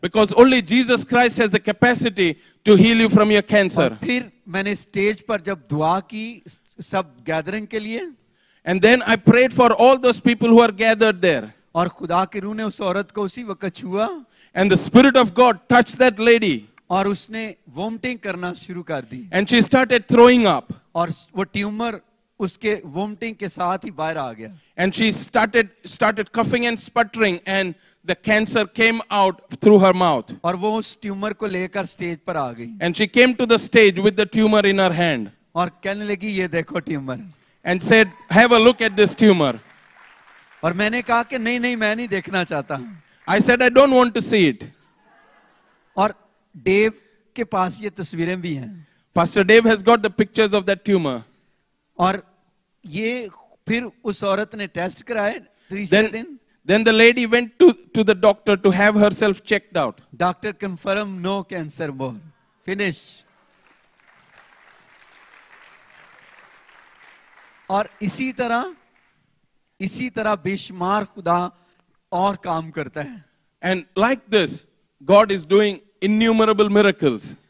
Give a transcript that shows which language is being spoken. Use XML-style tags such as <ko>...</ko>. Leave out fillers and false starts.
<en>Because only Jesus Christ has the capacity to heal you from your cancer.</en> <hi>फिर मैंने stage पर जब दुआ की सब गैदरिंग के लिए.</hi> <en>And then I prayed for all those people who are gathered there.</en> <hi>और खुदा की रूह ने उस औरत को उसी वक्त छुआ.</hi> <en>And the spirit of God touched that lady.</en> <hi>और उसने वोमिटिंग करना शुरू कर दी.</hi> <en>And she started throwing up.</en> <hi>और वो ट्यूमर उसके वोमिटिंग के साथ ही बाहर आ गया.</hi> <en>And she started coughing and sputtering and the cancer came out through her mouth.</en> <hi>और वो उस ट्यूमर को लेकर स्टेज पर आ गई.</hi> <en>And she came to the stage with the tumor in her hand.</en> <hi>और कहने लगी ये देखो tumour.</hi> <en>And said, "Have a look at this tumor."</en> <hi>और मैंने कहा कि नहीं मैं नहीं देखना चाहता.</hi> <en>I said, "I don't want to see it."</en> <hi>और डेव के पास ये तस्वीरें भी हैं.</hi> <en>Pastor Dave has got the pictures of that tumor.</en> <hi>और ये फिर उस औरत ने टेस्ट कराए तीसरे दिन.</hi> <en>Then the lady went to the doctor to have herself checked out. Doctor confirmed no cancer more. Finish.</en> <hi>और इसी तरह बेशुमार खुदा और काम करता है.</hi> <en>And like this, God is doing innumerable miracles.</en>